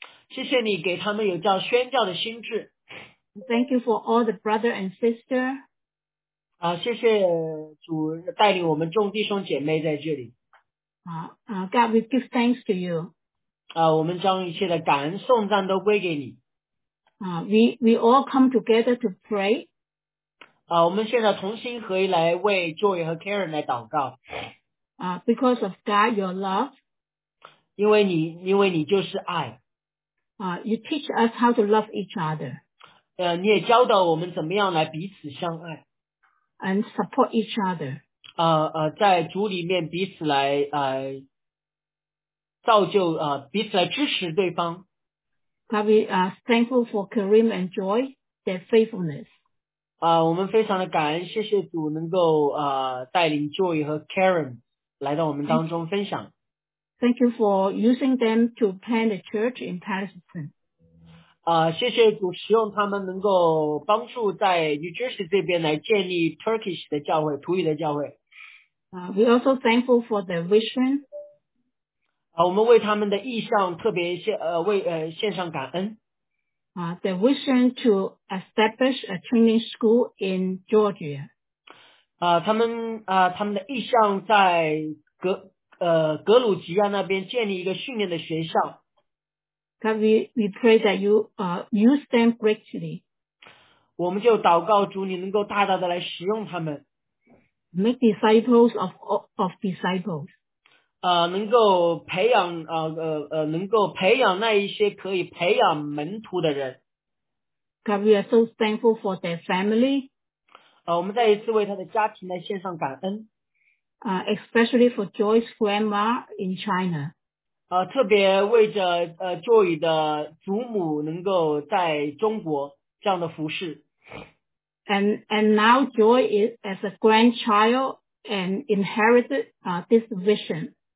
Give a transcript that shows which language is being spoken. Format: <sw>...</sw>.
<zh>谢谢你给他们有叫宣教的心智。</zh> <en>Thank you for all the brother and sister.</en> <zh>谢谢主带领我们众弟兄姐妹在这里。</zh> <en>God, we give thanks to you.</en> <zh>我们将一切的感恩颂赞都归给你。</zh> <en>We all come together to pray.</en> <zh>我们现在同心合一来为 Joy 和 Karen 来祷告。</zh> <en>Because of God, your love.</en> <zh>因为你就是爱。</zh> <en>You teach us how to love each other.</en> <zh>你也教导我们怎么样来彼此相爱。</zh> <en>And support each other.</en> <zh>在主里面彼此来造就彼此来支持对方。</zh> <en>God, we are thankful for Karim and Joy, their faithfulness.</en> <zh>我们非常的感恩，谢谢主能够带领 Joy 和 Karen 来到我们当中分享。</zh> <en>Thank you for using them to plant a church in Palestine.</en> <zh>谢谢主使用他们能够帮助在 New Jersey 这边来建立 Turkish 的教会，土语的教会。</zh> <en>We are also thankful for the vision.</en> <zh>我们为他们的意向特别献上感恩。</zh> <en>The vision to establish a training school in Georgia.</en> <zh>他们的意向在格鲁吉亚那边建立一个训练的学校。</zh> <en>God, we pray that you use them greatly.</en> <zh>我们就祷告主，你能够大大的来使用他们。</zh> <en>Make disciples of disciples.</en> <zh>能够培养那一些可以培养门徒的人。</zh> <en>God, we are so thankful for their family.</en> <zh>我们再一次为他的家庭来献上感恩。</zh> <en>Especially for Joy's grandma in China.</en> <zh>特别为着Joy 的祖母能够在中国这样的服侍。</zh> <en>And now Joy is as a grandchild and inherited this vision.</en>